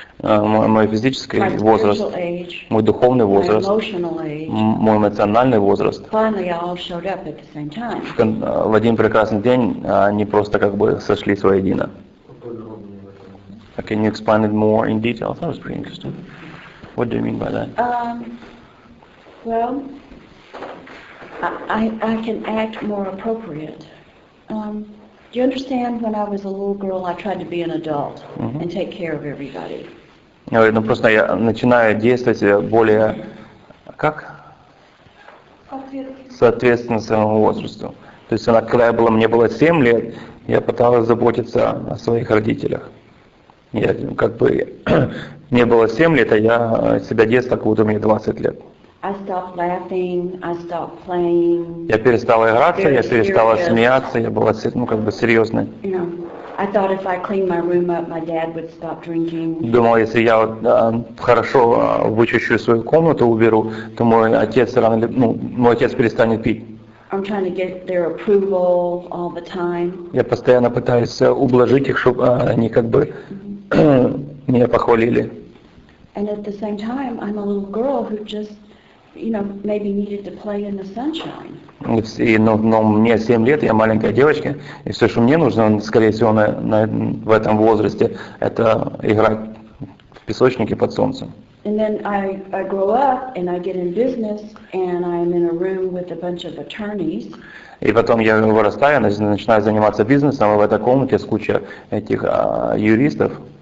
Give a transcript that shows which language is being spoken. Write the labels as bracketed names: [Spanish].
[Russian] Мой физический возраст. Мой духовный возраст. Мой эмоциональный возраст. [English] Finally, I all showed up at the same time. [Russian] В один прекрасный день они просто как бы сошлись воедино. [English] Can you explain it more in detail? That was pretty interesting. What do you mean by that? Well, I can act more appropriate. Do you understand when I was a little girl I tried to be an adult and take care of everybody? [Russian] Ну просто я начинаю действовать более как? Соответственно своему возрасту. То есть когда я была, мне было 7 лет, я пыталась заботиться о своих родителях. Я как бы мне было 7 лет, а я себя действовал, как будто мне 20 лет. [English] I stopped laughing, I stopped playing. [Russian] Я перестала играться, я перестала смеяться, я была как бы серьезной. [English] You know, I thought if I cleaned my room up, my dad would stop drinking. [Russian] Думала, если я хорошо вычищу свою комнату, уберу, то мой отец рано или мой отец перестанет пить. [English] I'm trying to get their approval all the time. [Russian] Я постоянно пытаюсь ублажить их, чтобы они как бы меня похвалили. [English] And at the same time, I'm a little girl who just maybe needed to play in the sunshine. [Russian] Но мне 7 лет, я маленькая девочка, и все, что мне нужно, скорее всего, в этом возрасте, это играть в песочнике под солнцем. [English] And then I grow up and I get in business and I'm in a room with a bunch of attorneys. [Russian] И потом я вырастаю, начинаю заниматься бизнесом, и в этой комнате с кучей этих юристов.